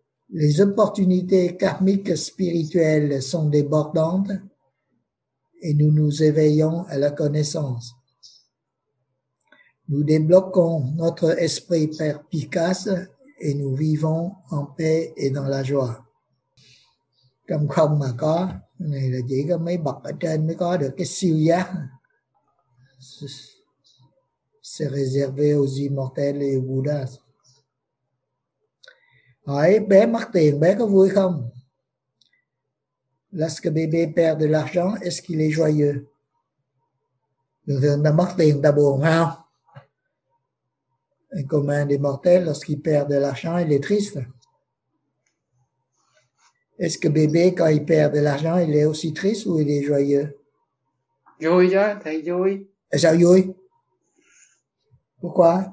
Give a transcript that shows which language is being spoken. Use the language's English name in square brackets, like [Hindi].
[French] Les opportunités karmiques spirituelles sont débordantes et nous nous éveillons à la connaissance. Nous débloquons notre esprit perspicace et nous vivons en paix et dans la joie. [Vietnamese] Trong không mà có, này là chỉ có mấy bậc ở trên mới có được cái siêu giác. [French] C'est réservé aux immortels et aux Bouddhas. [Vietnamese] Hỏi bé mắc tiền, bé có vui không? [French] Lorsque bébé perd de l'argent, est-ce qu'il est joyeux? [Vietnamese] Thường thường ta mất tiền, ta buồn, không? [French] Un commun des mortels, lorsqu'il perd de l'argent, il est triste. Est-ce que bébé, quand il perd de l'argent, il est aussi triste ou il est joyeux? Joyeux, très joyeux. Pourquoi?